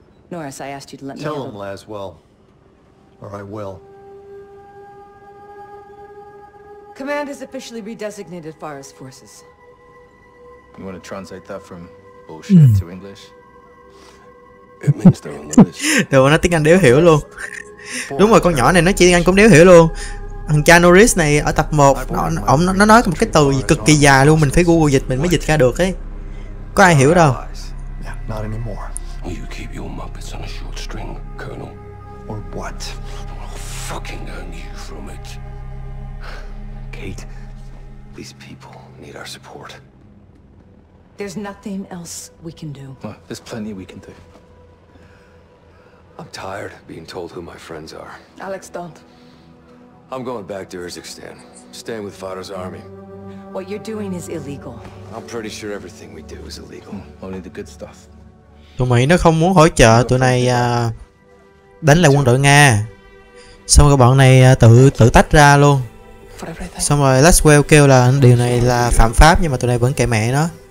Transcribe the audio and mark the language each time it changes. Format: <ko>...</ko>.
<en>Norris, I asked you to let Tell him, Laswell. Or I will. Command has officially redesignated Farah's forces. You want to translate that from bullshit to English? It means they're on the list.</en> <vi>Đồ nó tiếng Anh đéo hiểu luôn. Đúng rồi, con nhỏ này nó chỉ tiếng Anh cũng đéo hiểu luôn. Thằng cha Norris này ở tập 1, nó nói một cái từ cực kỳ dài luôn, mình phải Google dịch mình mới dịch ra được ấy. Có ai hiểu đâu.</vi> <en>Not anymore. You keep your muppets on a short string, Colonel. Or what? I'll fucking earn you from it. Kate, these people need our support. There's nothing else we can do. Well, there's plenty we can do. I'm tired of being told who my friends are. Alex, don't. I'm going back to Urzikstan, staying with Vader's army. What you're doing is illegal. I'm pretty sure everything we do is illegal. Only the good stuff.</en> <vi>Tụi Mỹ nó không muốn hỗ trợ tụi này đánh lại quân đội Nga. Xong rồi bọn này tự tách ra luôn. Xong rồi Laswell kêu là điều này là phạm pháp, nhưng mà tụi này vẫn kệ mẹ nó.</vi>